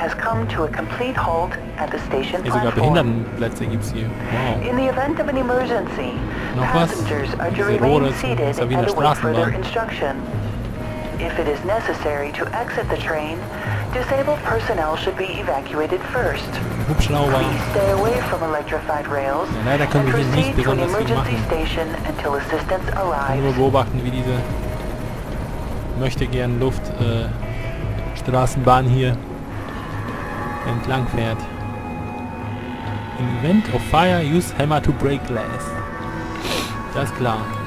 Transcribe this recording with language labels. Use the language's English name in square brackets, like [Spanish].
[German] Sogar Behindertenplätze gibt es hier. Wow. [English] In the event of an emergency, [German] noch was? Diese Rohre ist ja wie in der Straßenbahn. [English] If it is necessary to exit the train, disabled personnel should be evacuated first. Hubschrauber. Please stay away from electrified rails. [German] Ja, leider können wir hier nicht besonders viel machen. [English] Until assistance arrives. [German] Nur beobachten, wie diese möchte gern Luft Straßenbahn hier entlang fährt. [English] In event of fire, use hammer to break glass. [German] Das ist klar.